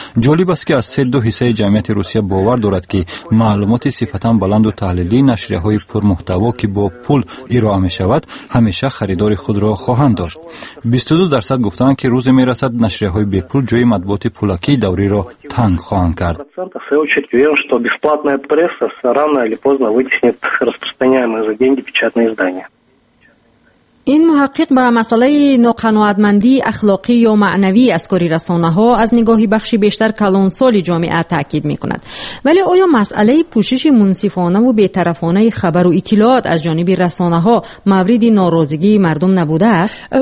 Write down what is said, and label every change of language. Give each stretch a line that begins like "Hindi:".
Persian: جالب است که از 32% جمعیت روسیه باور دارد که معلومات صفتاً بلند و تحلیلی نشریه های پرمحتوا که با پول ارائه می شود همیشه خریدار خود را خواهند داشت. 22% گفتند که روزی می رسد نشریه های بی پول جای مطبوعات پولکی دوری را تنگ خواهند کرد.
Russian: Что бесплатная пресса рано или поздно вытеснит распространяемые за деньги печатные издания.
Persian: این محقق به مسئله ناقناعتمندی اخلاقی یا معنوی از کاری رسانه ها از نگاهی بخشی بیشتر کلانسال جامعه تاکید میکند. ولی آیا مسئله پوشش منصفانه و بی‌طرفانه خبر و اطلاعات از جانب رسانه ها مورد ناراضگی مردم نبوده است؟